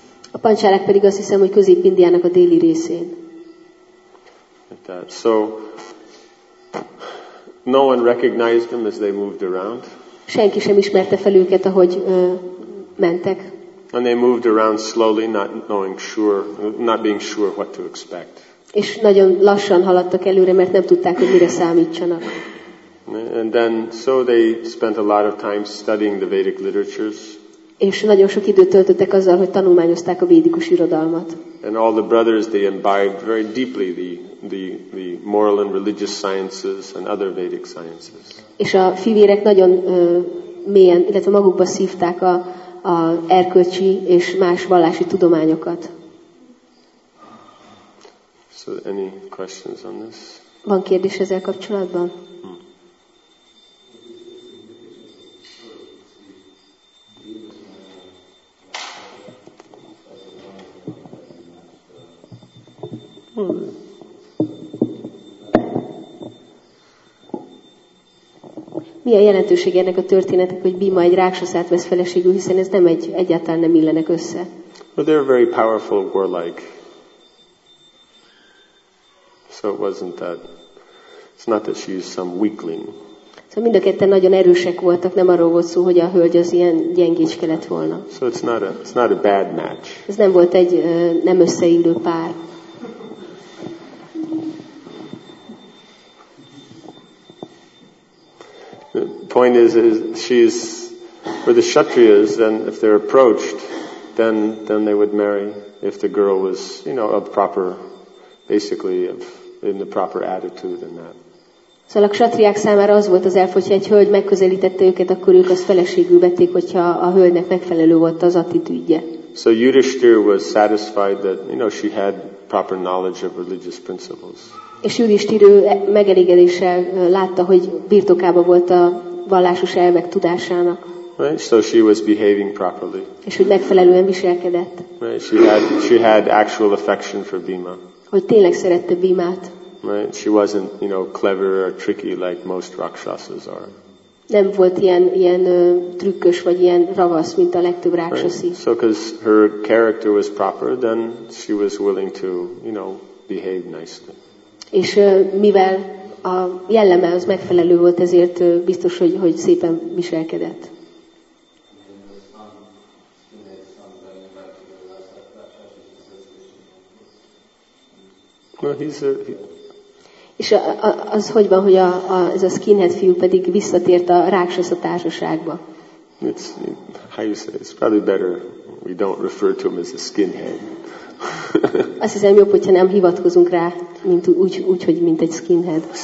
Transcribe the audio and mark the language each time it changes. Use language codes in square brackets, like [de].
[hu] A Panchalák pedig azt hiszem, hogy Közép-Indiának a déli részén. [en] Like that. So No one recognized them as they moved around. [hu] Senki sem ismerte fel őket, ahogy mentek. [en] And they moved around slowly, not knowing sure, not being sure what to expect. [hu] És nagyon lassan haladtak előre, mert nem tudták, hogy mire számítsanak. [en] And then, so they spent a lot of time studying the Vedic literatures. [hu] És nagyon sok időt töltöttek azzal, hogy tanulmányozták a védikus irodalmat. [en] And all the brothers, they imbibed very deeply the moral and religious sciences and other Vedic sciences. [hu] És a fivérek nagyon mélyen, illetve magukba szívták a erkölcsi és más vallási tudományokat. [en] So any questions on this? [hu] Van kérdés ezzel kapcsolatban? Mi a jelentőség ennek a történetnek, hogy Bhima egy rákszaszát vesz feleségül, hiszen ez nem egy egyáltalán nem illenek össze. [en] Well, they're very powerful warlike. So it wasn't that. It's not that she is some weakling. [hu] Szóval mind a ketten nagyon erősek voltak, nem arról volt szó, hogy a hölgy az ilyen gyengécske lett volna. [en] So it's not a bad match. [hu] Ez nem volt egy nem összeillő pár. [en] Point is she's for the Kshatriyas, then if they're approached, then they would marry if the girl was, you know, a proper, basically of in the proper attitude and that. [hu] Szóval a Kshatriyák számára az volt az elf, hogyha egy hölgy megközelítette őket, akkor ők azt feleségül vették, hogyha a hölgynek megfelelő volt az attitűdje. [en] So Yudhishthir was satisfied that, you know, she had proper knowledge of religious principles. [hu] És Yudhishthir megelégedéssel látta, hogy birtokában volt a vallásos elvek tudásának. [en] Right, so she was behaving properly. [hu] És hogy megfelelően viselkedett. [en] Right, she had actual affection for Bhima. [hu] Hogy tényleg szerette Bhimát. [en] Right, she wasn't, you know, clever or tricky like most rakshasas are. [hu] Nem volt ilyen trükkös vagy ilyen ravasz, mint a legtöbb rakshasi. [en] Right. So because her character was proper, then she was willing to, you know, behave nicely. [hu] És mivel a jelleme az megfelelő volt, ezért biztos, hogy szépen viselkedett. [en] Well, [hu] és az hogy van, hogy ez a skinhead fiú pedig visszatért a rákszasz a társaságba? [en] It's, how you say, it's probably better we don't refer to him as a skinhead. [hu] Azt hiszem jobb, hogyha nem hivatkozunk rá, mint egy skinhead.